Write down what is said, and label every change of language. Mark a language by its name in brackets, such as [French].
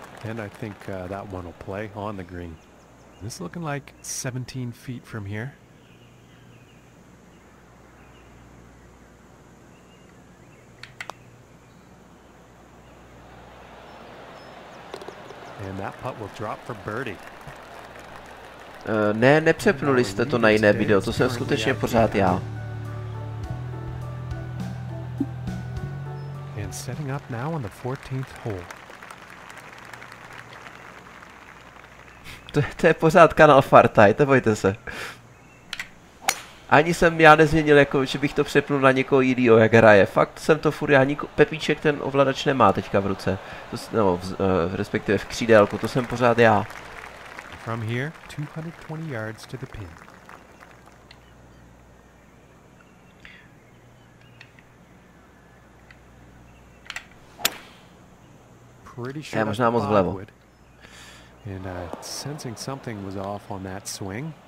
[English] And I think that one will play on the green. This looking like 17 feet from here. And that putt will drop for birdie. [Czech] Ne, nepřepnuli jste to na jiné video, to jsem skutečně pořád já. [English] And setting up now on the 14th hole. [Czech] To je pořád kanál Fartaj, nebojte se. Ani jsem já nezměnil, jako, že bych to přepnul na někoho jiného, jak hraje. Fakt jsem to furt, já Pepíček ten ovladač nemá teďka v ruce. To, no, respektive v křídelku, to jsem pořád já. [English] From here, 220 yards to the pin. [Czech] Já možná moc vlevo. [English] And sensing something was off on that swing.